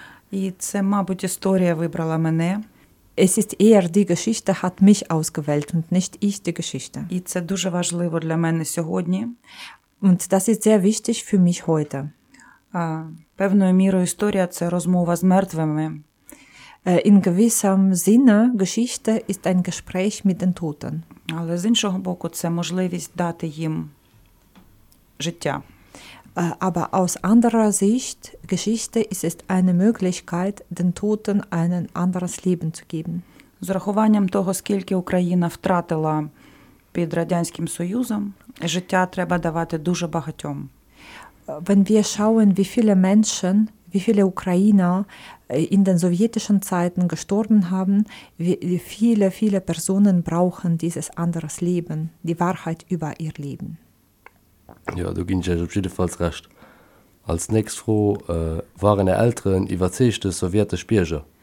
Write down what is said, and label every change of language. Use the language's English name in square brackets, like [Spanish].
[Ukrainian] І це, мабуть, історія вибрала мене. [German] Es ist eher die Geschichte hat mich ausgewählt und nicht ich die Geschichte. [Ukrainian] І це дуже важливо для мене сьогодні. [German] Und das ist sehr wichtig für mich heute. [Ukrainian] Певною мірою історія – це розмова з мертвими. [German] In gewissem Sinne Geschichte ist ein Gespräch mit den Toten. [Ukrainian] Але з іншого боку, це можливість дати їм життя. [German] Aber aus anderer Sicht Geschichte ist es eine Möglichkeit, den Toten ein anderes Leben zu geben. [Ukrainian] З урахуванням того, скільки Україна втратила під Радянським Союзом, життя треба давати дуже багатьом. [German] Wenn wir schauen, wie viele Menschen, wie viele Ukrainer in den sowjetischen Zeiten gestorben haben, wie viele, viele Personen brauchen dieses andere Leben, die Wahrheit über ihr Leben. Ja, du gingst ja auf jeden Fall recht. Als nächstes froh, waren die Älteren überzeugte sowjetische Bürger?